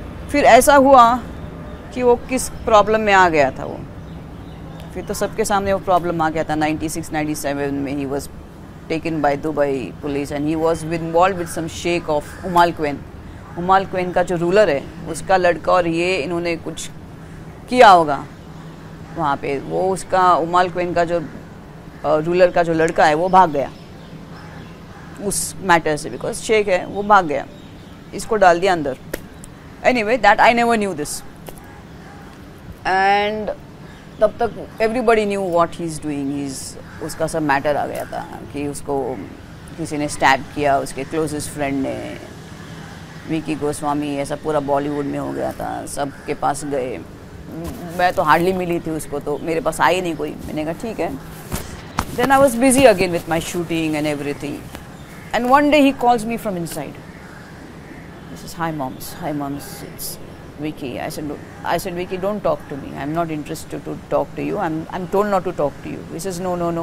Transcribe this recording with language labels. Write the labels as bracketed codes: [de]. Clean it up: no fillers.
[hi] फिर ऐसा हुआ कि वो किस प्रॉब्लम में आ गया था, वो फिर तो सबके सामने वो प्रॉब्लम आ गया था 96-97 में, [en] he was taken by Dubai police and he was involve with some sheikh of [hi] उमालक्वेन का जो रूलर है उसका लड़का, और ये इन्होंने कुछ किया होगा वहाँ पे, वो उसका उमालक्वेन का जो रूलर का जो लड़का है वो भाग गया उस मैटर से, बिकॉज शेक है वो भाग गया, इसको डाल दिया अंदर। [en] Anyway, that I never knew this. And [hi] तब तक [en] everybody knew what he's doing. He's [hi] उसका सब matter आ गया था कि उसको किसी ने stab किया, उसके closest friend ने, विकी गोस्वामी, ऐसा पूरा Bollywood में हो गया था, सब के पास गए, मैं तो hardly मिली थी उसको, तो मेरे पास आई नहीं कोई, मैंने कहा ठीक है। [en] Then I was busy again with my shooting and everything. And one day he calls me from inside. Hi moms, it's Vicky. I said, Vicky, don't talk to me. I'm not interested to talk to you. I'm told not to talk to you. He says, no.